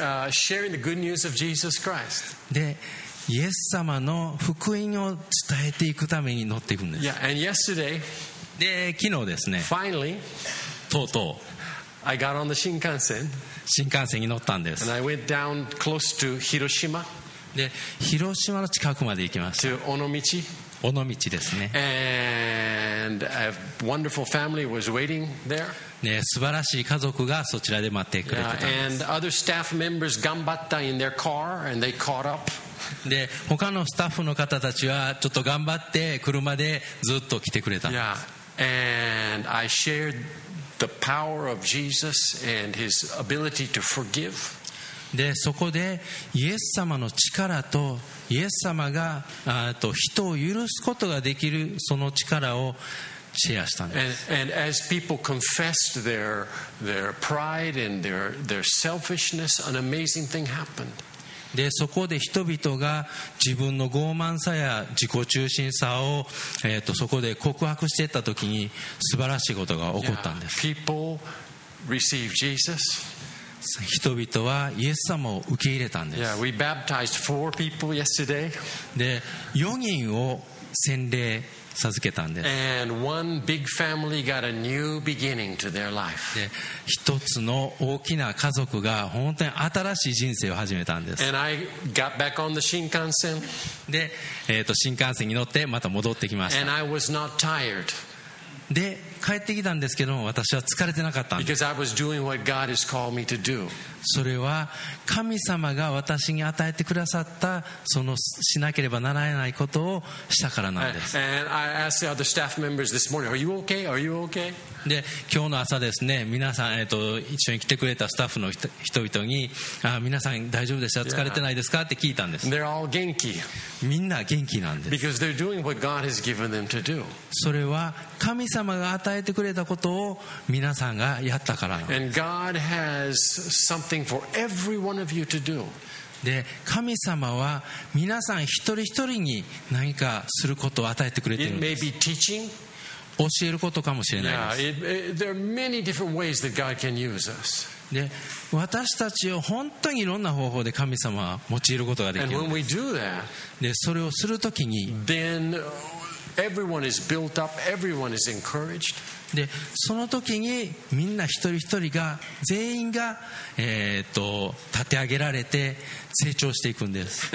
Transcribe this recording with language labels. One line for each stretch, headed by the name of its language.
English: sharing the good news of Jesus Christ.
Japanese: でイエス様の福音を伝えていくために乗っていくんです。
English: yeah, and yesterday,
Japanese: で昨日ですね
English: finally,
Japanese: とうとう
English: I got on the Shinkansen,
Japanese: 新幹線に乗ったんです。
English: and I went down close to Hiroshima,
Japanese: で広島の近くまで行きました。
English: to 尾道
Japanese: 尾道ですね。
English: And a wonderful family was waiting there.
Japanese: ね、素晴らしい家族がそちらで待ってくれてたんです。
English: Yeah, and other staff members
Japanese: 頑張った
English: in their car and they caught up.
Japanese: で、他のスタッフの方たちはちょっと頑張って車でずっと来てくれたんです。
English: Yeah, and I shared the power of Jesus and His ability to forgive.
Japanese: でそこでイエス様の力とイエス様が人を許すことができるその力をシェアしたんです。
English: and as people confessed their pride and their selfishness, an amazing thing happened.
Japanese: でそこで人々が自分の傲慢さや自己中心さを、そこで告白していった時に素晴らしいことが起こったんです。
English: yeah, people receive Jesus.
Japanese: 人々はイエス様を受け入れたんです。
English: yeah, we baptized four people yesterday.
Japanese: で4人を洗礼授けたんです。
English: And one big family got a new beginning to their life.
Japanese: で一つの大きな家族が本当に新しい人生を始めたんです。
English: And I got back on the Shinkansen.
Japanese: で、新幹線に乗ってまた戻ってきました。
English: And I was not tired.
Japanese: で帰ってきたんですけども私は疲れてなかったんです。
English: Because I was doing what God has called me to do.
Japanese: それは神様が私に与えてくださったそのしなければならないことをしたからなんです。
English: And I asked the other staff members this morning, are you okay? Are you okay?
Japanese: で今日の朝ですね皆さん、一緒に来てくれたスタッフの人々にあ皆さん大丈夫でした疲れてないですかって聞いたんです。
English: They're all
Japanese: 元気。みんな元気なんです。
English: Because they're doing what God has given them to do.
Japanese: それは神様が与えてくれたことを皆さんがやったからなんです。
English: And God has something for every one of you to do.
Japanese: で神様は皆さん一人一人に何かすることを与えてくれているんです。
English: It may be teaching.
Japanese: 教えることかもしれないです。
English: yeah, there are many different ways that God can use us.
Japanese: で私たちを本当にいろんな方法で神様は用いることができるんです。
English: And when we do that,
Japanese: でそれをするときに
English: then everyone is built up, everyone is encouraged.
Japanese: でそのときにみんな一人一人が全員が、立て上げられて成長していくんです。